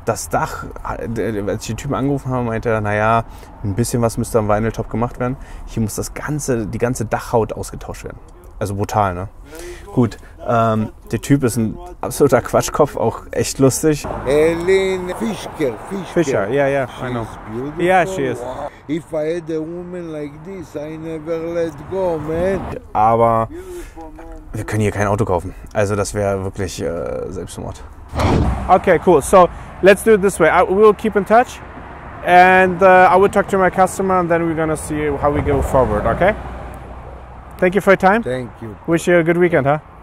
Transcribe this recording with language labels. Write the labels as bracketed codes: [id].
[de] Das Dach, als ich den Typen angerufen habe, meinte er, naja, ein bisschen was müsste am Vinyltop gemacht werden. Hier muss die ganze Dachhaut ausgetauscht werden. Also brutal, ne? Gut, der Typ ist ein absoluter Quatschkopf, auch echt lustig. Helene Fischer. [en] Fischer, ja, I know. Yeah, she is. If I had a woman like this, I never let go, man. [de] Aber wir können hier kein Auto kaufen. Also das wäre wirklich Selbstmord. [en] Okay, cool. So, let's do it this way. We will keep in touch. And I will talk to my customer and then we're gonna see how we go forward, okay? Thank you for your time. Thank you. Wish you a good weekend, huh?